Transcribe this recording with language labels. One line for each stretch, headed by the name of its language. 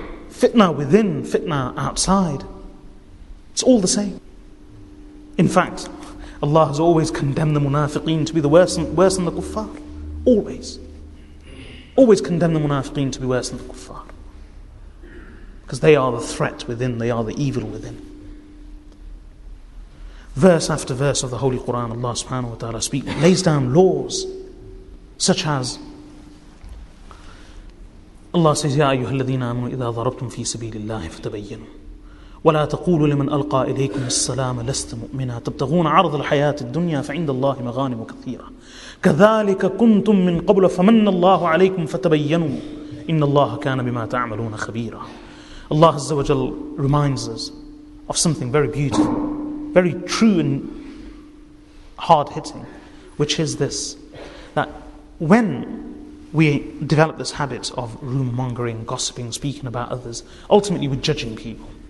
English: Fitna within, fitna outside. It's all the same. In fact, Allah has always condemned the munafiqeen to be the worse than the kuffar. Always. Always condemn the munafiqeen to be worse than the kuffar. Because they are the threat within, they are the evil within. Verse after verse of the Holy Quran, Allah subhanahu wa ta'ala lays down laws such as Allah says,
Arabic: يَا أَيُّهَا الَّذِينَ آمَنُوا إِذَا ضَرَبْتُمْ فِي سَبِيلِ اللَّهِ فَتَبَيِّنُوا وَلَا تَقُولُوا لِمَنْ أَلْقَى إِلَيْكُمُ السَّلَامَ لَسْتَ مُؤْمِنًا تَبْتَغُونَ عَرْضَ الْحَيَاةِ الدُّنْيَا فَعِندَ اللَّهِ مَغَانِمُ كَثِيرَةً كَذَلِكَ كُنْتُمْ مِنْ قَبْلُ فَمَنَّ اللَّهُ عَلَيْكُمْ فَتَبَيَّنُوا إِنَّ اللَّهَ كَانَ بِمَا تَعْمَلُونَ خَبِيرًا.
English: Allah Azza wa Jal reminds us of something very beautiful, very true and hard-hitting, which is this, that when we develop this habit of rumour-mongering, gossiping, speaking about others, ultimately we're judging people.